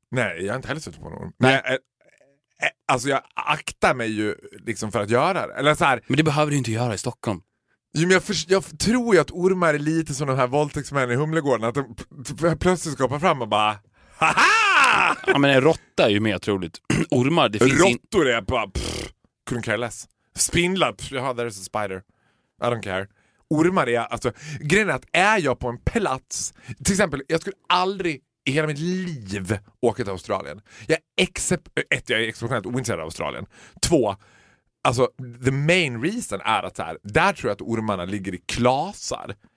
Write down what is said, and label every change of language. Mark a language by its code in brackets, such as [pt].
[sv] Nej, jag har inte heller stött på en orm. Nej. Alltså jag aktar mig ju liksom för att göra det. Eller så här. Men det behöver du inte göra i Stockholm. Jo, men jag tror ju att ormar är lite som de här våldtäktsmännen i Humlegården. Att de plötsligt skapar fram och bara. Haha! Ja, men en råtta är ju mer troligt. Ormar, det finns råttor är bara. [en] Couldn't care less. [sv] Spindlar, [en] there is a spider. I don't care. [sv] Ormar är, alltså, grejen är att är jag på en plats. Till exempel, jag skulle aldrig i hela mitt liv åka till Australien. Jag är exceptionellt ointresserad av Australien. Två, alltså [en] the main reason [sv] är att så här, där tror jag att ormarna ligger i klasar.